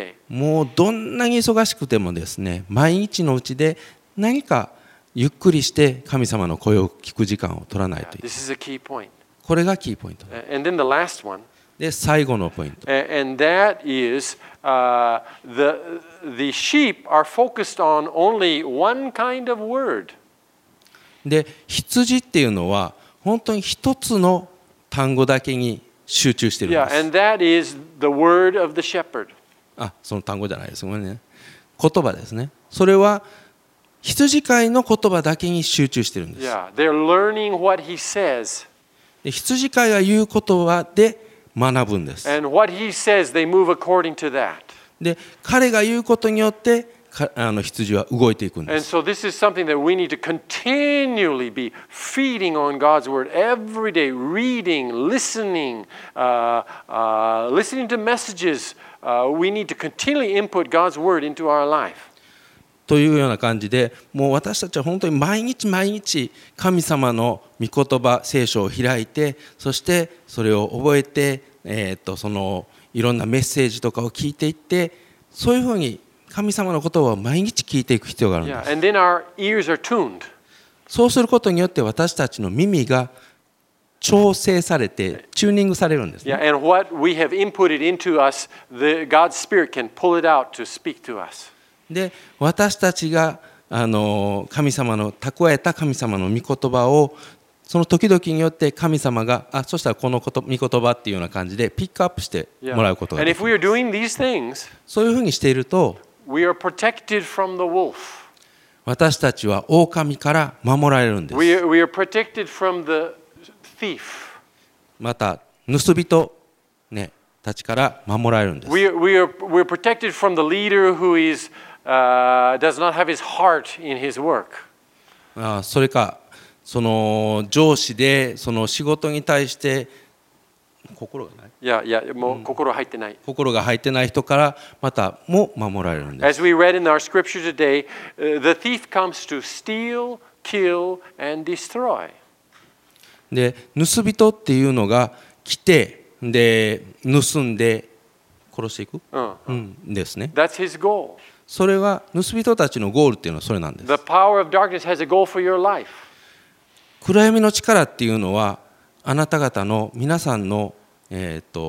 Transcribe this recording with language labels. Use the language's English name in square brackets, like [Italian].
[Japanese] もうどんなに忙しくてもですね、毎日のうちで何かゆっくりして神様の声を聞く時間を取らないといけない。これがキーポイント。 [English] And then the last one. [Japanese] で、最後のポイント。 [English] And that is, the sheep are focused on only one kind of word. [Japanese] で、羊っていうのは本当に一つの単語だけに集中しているんです。 [English] Yeah, and that is the word of the shepherd. [Japanese] あ、その単語じゃないです。ごめんね。言葉ですね。それは羊飼いの言葉だけに集中しているんです。 [English] Yeah, they're learning what he says. [Japanese] で、羊飼いが言う言葉で学ぶんです。 [English] And what he says, they move according to that. [Japanese] で、彼が言うことによって羊は動いていくんです。 [English] And so this is something that we need to continually be feeding on God's word every day, reading, listening, listening to messages. We need to continually input God's word into our life. [Japanese] というような感じで、もう私たちは本当に毎日毎日神様の御言葉、聖書を開いて、そしてそれを覚えて、そのいろんなメッセージとかを聞いていって、そういうふうに神様のことを毎日聞いていく必要があるんです。 [English] Yeah, and then our ears are tuned. [Japanese] そうすることによって私たちの耳が調整されてチューニングされるんですね。 [English] Yeah, and what we have inputted into us, the God's Spirit can pull it out to speak to us. [Japanese] で、私たちが神様の蓄えた神様の御言葉をその時々によって神様が、あ、そしたらこのこと、御言葉っていうような感じでピックアップしてもらうことができます。 [English] Yeah. And if we are doing these things, [Japanese] そういうふうにしていると、 [English] We are protected from the wolf. [Japanese] 私たちは狼から守られるんです。 [English] We are protected from the thief. [Japanese] また盗人、ね、たちから守られるんです。 [English] We are protected from the leader who is, does not have his heart in his work. [Japanese] それかその上司でその仕事に対して心がない。もう心入ってない、うん、心が入ってない人からまたも守られるんです。 [English] As we read in our scripture today, the thief comes to steal, kill, and destroy. [Japanese] で、盗人っていうのが来て、で、盗んで殺していく、うん、うんですね。 [English] That's his goal. [Japanese] それは盗人たちのゴールっていうのはそれなんです。 [English] The power of darkness has a goal for your life. [Japanese] 暗闇の力っていうのはあなた方の皆さんの命。